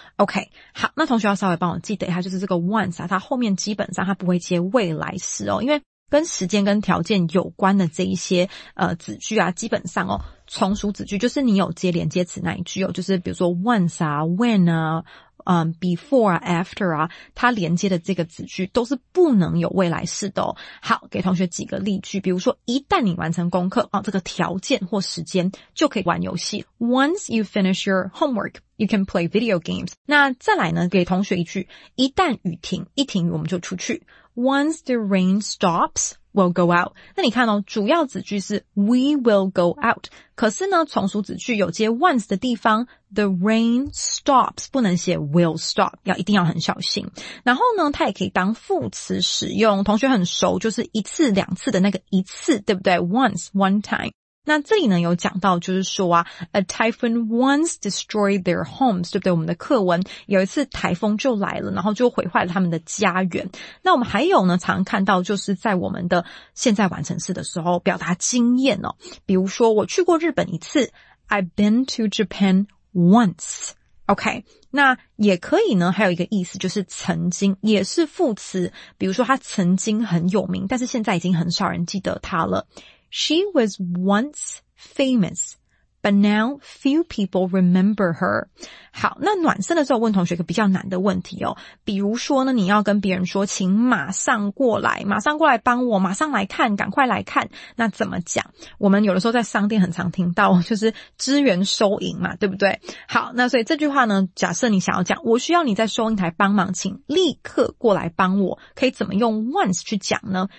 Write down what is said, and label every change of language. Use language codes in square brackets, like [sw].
[zh] OK， 好，那同学要稍微帮我记得一下，就是这个 once 啊，它后面基本上它不会接未来时哦，因为跟时间跟条件有关的这一些子句啊，基本上哦，从属子句就是你有接连接词那一句哦，就是比如说 once 啊 when 啊before 啊 after 啊，它连接的这个子句都是不能有未来式的哦。好，给同学几个例句，比如说一旦你完成功课哦，这个条件或时间就可以玩游戏。 [en] Once you finish your homework, you can play video games. [zh] 那再来呢，给同学一句，一旦雨停，一停雨我们就出去。 [en] Once the rain stops, we'll go out. [zh] 那你看哦，主要子句是 [en] we will go out， [zh] 可是呢从属子句有接 once 的地方， [en] the rain stops [zh] 不能写 [en] will stop， [zh] 要一定要很小心。然后呢它也可以当副词使用，同学很熟，就是一次两次的那个一次，对不对？ [en] once one time。 [zh] 那这里呢有讲到就是说啊 , [en] a typhoon once destroyed their homes, [zh] 对不对我们的课文有一次台风就来了然后就毁坏了他们的家园。那我们还有呢常常看到就是在我们的现在完成式的时候表达经验哦。比如说我去过日本一次 , [en] I've been to Japan once。 [zh] OK, 那也可以呢还有一个意思就是曾经也是副词比如说他曾经很有名但是现在已经很少人记得他了。 [en] She was once famous, but now few people remember her. [zh] 好，那暖身的时候问同学一个比较难的问题哦。比如说呢，你要跟别人说，请马上过来，马上过来帮我，马上来看，赶快来看。那怎么讲？我们有的时候在商店很常听到，就是支援收银嘛，对不对？好，那所以这句话呢，假设你想要讲，我需要你在收银台帮忙，请立刻过来帮我，可以怎么用 once 去讲呢？